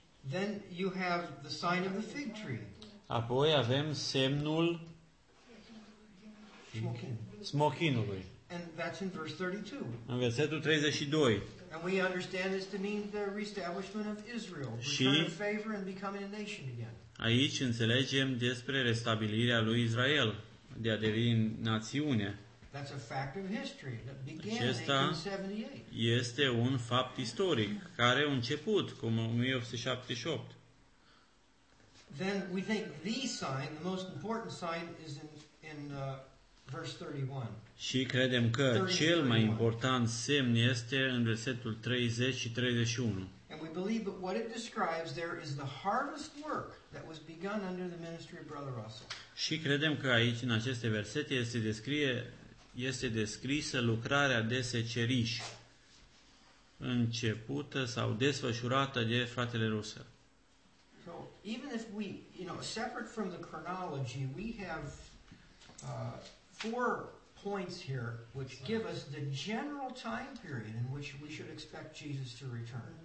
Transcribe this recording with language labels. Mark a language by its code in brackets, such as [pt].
[en] Then you have the sign of the fig tree. [ro] Apoi avem semnul smochinului. [en] And that's in verse 32. [ro] În versetul 32. [en] And we understand this to mean the reestablishment of Israel, return of favor and becoming a nation again. [ro] Aici înțelegem despre restabilirea lui Israel de a deveni națiune. [en] That's a fact of history that began in 1878. [ro] Este un fapt istoric care a început cu 1878. [en] Then we think the sign, the most important sign is in verse 31. [ro] Și credem că cel mai important semn este în versetul 30 și 31. [en] And we believe that what it describes there is the harvest work that was begun under the ministry of Brother Russell. [ro] Și credem că aici în aceste versete este descrisă lucrarea de seceriș începută sau desfășurată de fratele Russell. [en] So, even if we, you know, separate from the chronology, we have four points here which give us the general time period in which we should expect Jesus to return.